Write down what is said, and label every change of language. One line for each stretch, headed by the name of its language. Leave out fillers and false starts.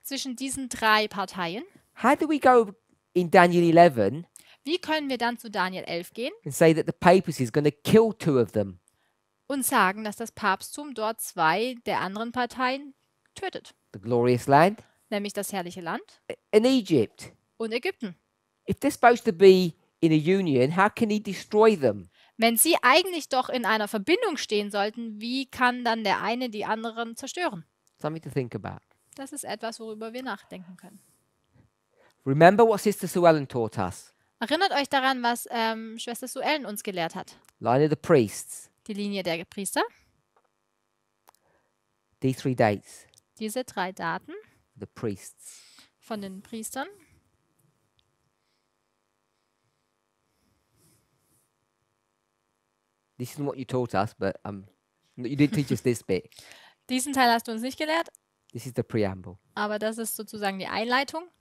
German: zwischen diesen drei Parteien,
English: how do we go in Daniel 11?
German: Wie können wir dann zu Daniel 11 gehen?
English: And say that the papacy is going to kill two of them.
German: Und sagen, dass das Papsttum dort zwei der anderen Parteien tötet.
English: The glorious land.
German: Nämlich das herrliche Land.
English: In Egypt.
German: Und Ägypten.
English: If they're supposed to be in a union, how can he destroy them?
German: Wenn sie eigentlich doch in einer Verbindung stehen sollten, wie kann dann der eine die anderen zerstören?
English: Something to think about.
German: Das ist etwas, worüber wir nachdenken können.
English: Remember what Sister Sue Ellen taught us.
German: Erinnert euch daran, was Schwester Sue Ellen uns gelehrt hat.
English: Line of the priests.
German: Die Linie der Priester.
English: These three dates.
German: Diese drei Daten
English: the priests.
German: Von den Priestern.
English: This is what you taught us, but you didn't teach us this bit.
German: Diesen Teil hast du uns nicht gelehrt.
English: This is the preamble.
German: Aber das ist sozusagen die Einleitung.